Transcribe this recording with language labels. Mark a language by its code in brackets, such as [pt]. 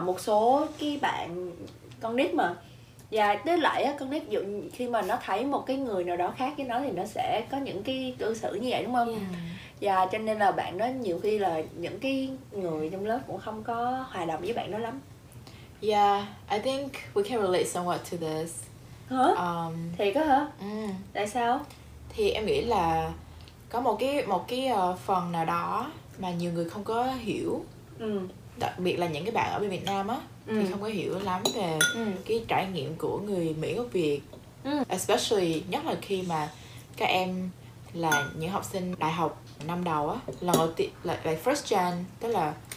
[vi] Một số cái bạn con nít mà tới lại á, con nít dụ khi mà nó thấy một cái người nào đó khác với nó thì nó sẽ có những cái cư xử như vậy, đúng không? Cho nên là bạn đó nhiều khi là những cái người trong lớp cũng không có hòa đồng với bạn đó lắm. [en] Yeah, I think we can relate somewhat to this. [vi] Thiệt đó hả? Tại sao? Thì em nghĩ là có một cái phần nào đó mà nhiều người không có hiểu. Đặc biệt là những cái bạn ở bên Việt Nam á thì không có hiểu lắm về cái trải nghiệm của người Mỹ gốc Việt. Especially nhất là khi mà các em là những học sinh đại học năm đầu á, lần đầu tiên [en] like first gen, [vi] tức là